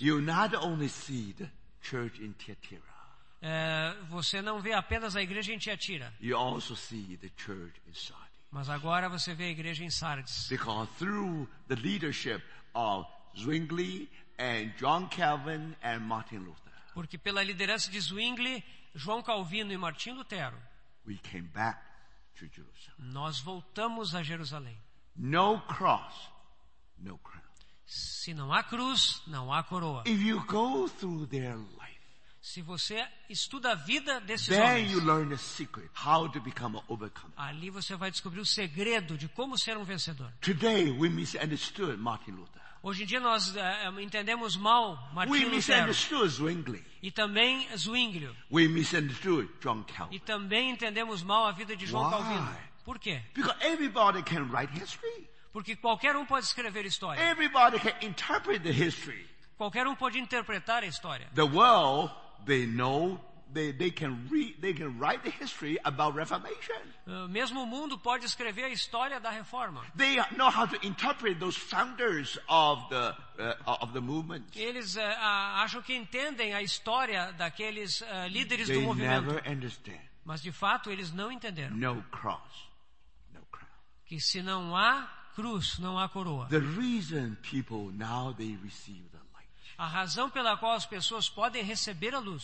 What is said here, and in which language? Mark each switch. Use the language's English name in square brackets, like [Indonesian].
[English] You not only see the church in Thyatira. [Portuguese] Você não vê apenas a igreja em Thyatira. [English] You also see the church in Sardis. [Portuguese] Mas agora você vê a igreja em Sardes. [English] Because through the leadership of Zwingli and John Calvin and Martin Luther. [Portuguese] Porque pela liderança de Zwingli, João Calvino e Martin Lutero. [English] We came back to Jerusalem. [Portuguese] Nós voltamos a Jerusalém. [English] No cross, no crown. [Portuguese] Se não há cruz, não há coroa. [English] If you go through their life. [Portuguese] Se você estuda a vida desses homens, [English] you learn the secret, how to become an overcomer. [Portuguese] Ali você vai descobrir o segredo de como ser um vencedor. [English] Today we misunderstood Martin Luther. [Portuguese] Hoje em dia nós entendemos mal Martin [English] Luther. We misunderstood Zwingli. [Portuguese] E também Zwingli. [English] We misunderstood John Calvin. [Portuguese] E também entendemos mal a vida de João Calvino. Por quê? [English] Because everybody can write history. [Portuguese] Porque qualquer um pode escrever história. [English] Everybody can interpret the history. [Portuguese] Qualquer um pode interpretar a história. [English] The world, they know, they can read, they can write the history about Reformation. [Portuguese] Mesmo o mundo pode escrever a história da Reforma. [English] They know how to interpret those founders of the movement. [Portuguese] Eles acham que entendem a história daqueles líderes [English] they [Portuguese] do movimento. [English] They never understand. [Portuguese] Mas de fato eles não entenderam. [English] No cross, no crown. [Portuguese] Que se não há cruz, não há coroa. [English] The reason people now they receive the light. [Portuguese] A razão pela qual as pessoas podem receber a luz.